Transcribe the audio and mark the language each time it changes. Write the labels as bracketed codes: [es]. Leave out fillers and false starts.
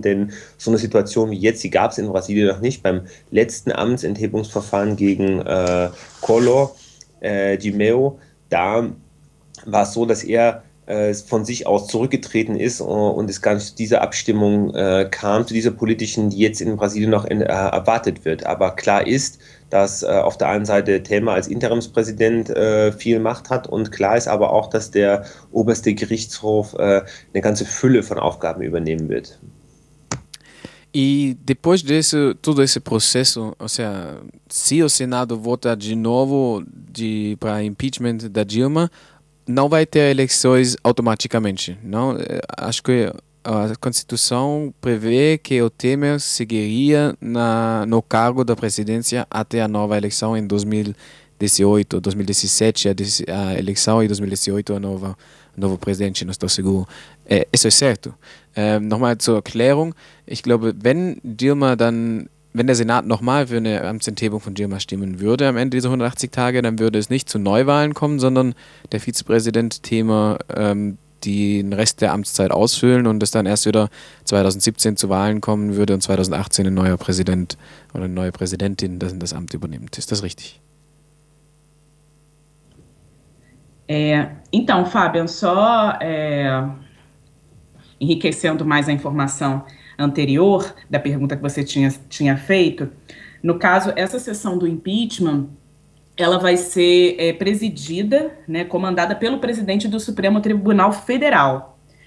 [de] Denn so eine Situation wie jetzt, die gab es in Brasilien noch nicht. Beim letzten Amtsenthebungsverfahren gegen Collor de Mello, da war es so, dass er von sich aus zurückgetreten ist und es gar nicht zu dieser Abstimmung kam, zu dieser politischen, die jetzt in Brasilien noch erwartet wird. Aber klar ist, dass auf der einen Seite Temer als Interimspräsident viel Macht hat und klar ist aber auch, dass der oberste Gerichtshof eine ganze Fülle von Aufgaben übernehmen wird. [pt] E depois desse todo esse processo, ou seja, se o Senado vota de novo para impeachment da Dilma, não vai ter eleições automaticamente, não? Acho que a Constituição prevê que o Temer seguiria no cargo da presidência até a nova eleição em 2018, 2017 a eleição e 2018 o novo presidente, não estou seguro. Isso é certo. [de] Nochmal zur Erklärung. Ich glaube, wenn der Senat nochmal für eine Amtsenthebung von Dilma stimmen würde am Ende dieser 180 Tage, dann würde es nicht zu Neuwahlen kommen, sondern der Vizepräsident Temer den Rest der Amtszeit ausfüllen und es dann erst wieder 2017 zu Wahlen kommen würde und 2018 ein neuer Präsident oder eine neue Präsidentin das Amt übernimmt. Ist das richtig? [pt] Então, Fabian, só enriquecendo mais a informação anterior da pergunta que você tinha feito, no caso, essa sessão do impeachment, ela vai ser presidida, né, comandada pelo presidente do Supremo Tribunal Federal.